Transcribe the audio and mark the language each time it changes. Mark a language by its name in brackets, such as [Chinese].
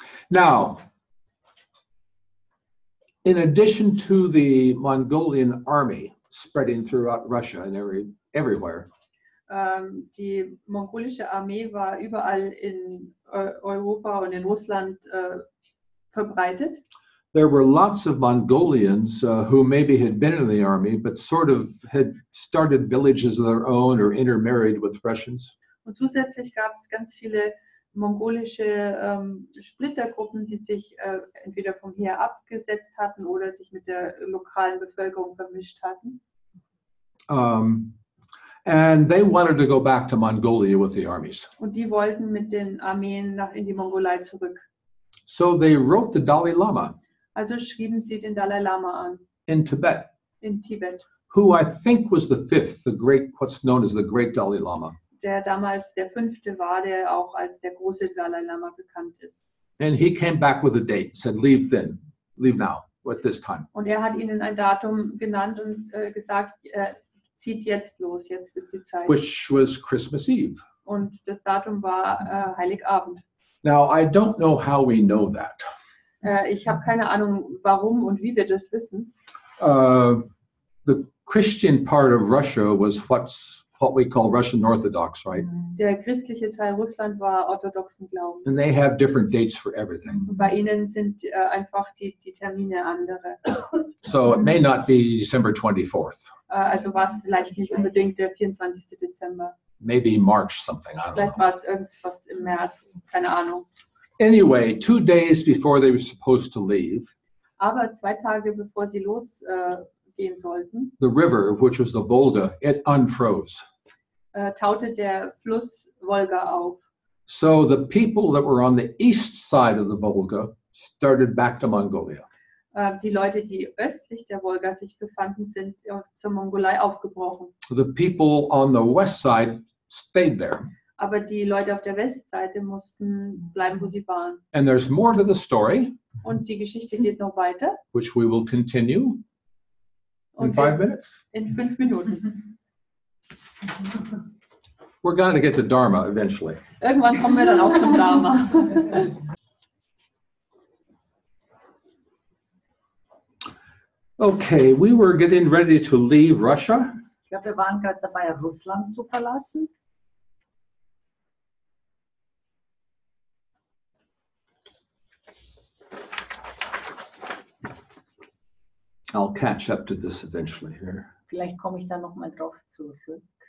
[English] Now, in addition to the Mongolian army spreading throughout Russia and everywhere. [German] Die mongolische Armee war überall in Europa und in Russland verbreitet. [English] There were lots of Mongolians who maybe had been in the army, but sort of had started villages of their own or intermarried with Russians. [German] Und zusätzlich gab es ganz viele mongolische Splittergruppen, die sich entweder vom Heer abgesetzt hatten oder sich mit der lokalen Bevölkerung vermischt hatten. [English] And they wanted to go back to Mongolia with the armies. [German] Und die wollten mit den Armeen nach in die Mongolei zurück. [English] So they wrote the Dalai Lama. [German] Also schrieben sie den Dalai Lama an. [English] In Tibet. [German] In Tibet. [English] Who I think was the fifth, the great, what's known as the great Dalai Lama. [German] Der damals der fünfte war, der auch als der große Dalai Lama bekannt ist. [English] And he came back with a date, said leave then, leave now, at this time. [German] Und er hat ihnen ein Datum genannt und gesagt, zieht jetzt los, jetzt ist die Zeit. [English] Which was Christmas Eve. [German] Und das Datum war Heiligabend. [English] Now, I don't know how we know that. [German] Ich habe keine Ahnung, warum und wie wir das wissen. [English] The Christian part of Russia was what we call Russian Orthodox, right? [German] Der christliche Teil Russland war orthodoxen Glaubens. [English] And they have different dates for everything. [German] Bei ihnen sind einfach die Termine andere. [English] So it may not be December 24th. [German] Also war es vielleicht nicht unbedingt der 24. Dezember. [English] Maybe March something, I don't [German] vielleicht Vielleicht war es irgendwas im März, keine Ahnung. [English] Anyway, 2 days before they were supposed to leave. [German] Aber 2 Tage bevor sie los gehen sollten. [English] The river, which was the Volga, it unfroze. [German] Taute der Fluss Volga auf. [English] So the people that were on the east side of the Volga started back to Mongolia. [German] Die Leute, die östlich der Volga sich befanden, sind zur Mongolei aufgebrochen. [English] The people on the west side stayed there. [German] Aber die Leute auf der Westseite mussten bleiben, wo sie waren. [English] And there's more to the story. [German] Und die Geschichte geht noch weiter. [English] Which we will continue. In 5 minutes? [German] In 5 Minuten. [English] We're going to get to Dharma eventually. [German] Irgendwann kommen wir dann auch zum Dharma. [English] Okay, we were getting ready to leave Russia. [German] Ich glaube, wir waren gerade dabei, Russland zu verlassen. [English] I'll catch up to this eventually here. [German] Vielleicht komme ich da noch mal drauf zurück.